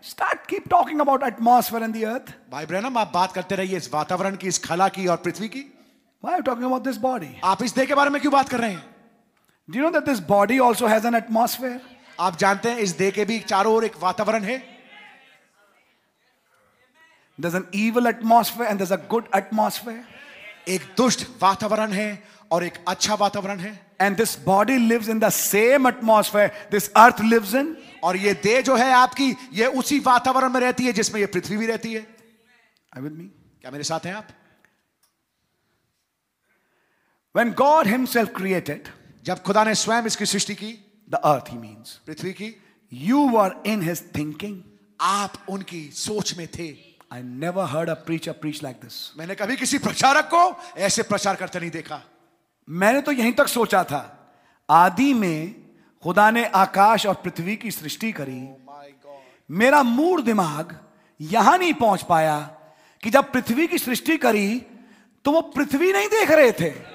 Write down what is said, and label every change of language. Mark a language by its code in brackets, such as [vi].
[en] Start keep talking about atmosphere and the earth. [hi] भाई Branham, आप बात करते रहिए इस वातावरण की, इस खला की और पृथ्वी की. [en] Why are you talking about this body? [hi] आप इस देह के बारे में क्यों बात कर रहे हैं? [en] Do you know that this body also has an atmosphere? [hi] आप जानते हैं इस देह के भी चारों ओर एक वातावरण है. [en] There's an evil atmosphere and there's a good atmosphere. [hi] एक दुष्ट वातावरण है और एक अच्छा वातावरण है. [en] And this body lives in the same atmosphere this earth lives in. [hi] और ये देह जो है आपकी, ये उसी वातावरण में रहती है जिसमें ये पृथ्वी भी रहती है. [en] Are you with me? [hi] क्या मेरे साथ हैं आप? [en] When God Himself created, [hi] जब खुदा ने स्वयं इसकी सृष्टि की, [en] the earth He means, [hi] पृथ्वी की, [en] you were in His thinking, [hi] आप उनकी सोच में थे. [en] I never heard a preacher preach like this. [hi] मैंने कभी किसी प्रचारक को ऐसे प्रचार करते नहीं देखा. मैंने तो यहीं तक सोचा था, आदि में खुदा ने आकाश और पृथ्वी की सृष्टि करी. मेरा मूड दिमाग यहां नहीं पहुंच पाया कि जब पृथ्वी की सृष्टि करी तो वो पृथ्वी नहीं देख रहे थे.